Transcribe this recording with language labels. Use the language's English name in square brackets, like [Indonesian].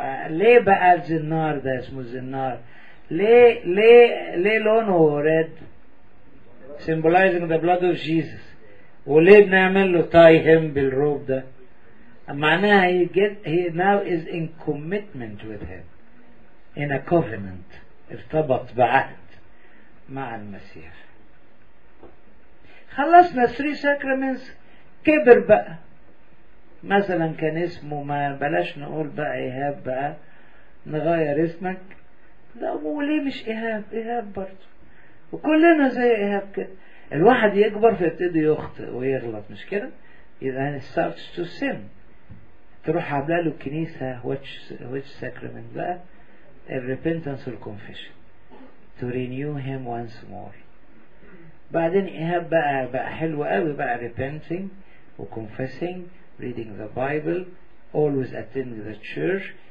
[Arabic] ليه بقى الزنار ده اسمه زنار؟ ليه لونه ريد؟ [English] symbolizing the blood of Jesus. [Arabic] وليه بنعمل له [English] tie him [Arabic] بالروب ده؟ معناها [English] he now is in commitment with him, in a covenant. [Arabic] ارتبط بعهد مع المسيح. خلصنا 3 sacraments. كبر بقى مثلا كان اسمه ما بلاش نقول بقى إيهاب بقى نغير اسمك. لا وليه مش إيهاب؟ إيهاب برضو وكلنا زي إيهاب كده. الواحد يكبر فيبتدي يخطئ ويغلط مش كده؟ إذا [English] he starts to sin. [Arabic] تروح عبلا له كنيسة [English] which sacrament [Arabic] بقى [English] the repentance or confession to renew him once more. [Arabic] بعدين إيهاب بقى حلو قوي بقى [English] repenting وconfessing reading the Bible always attending the church.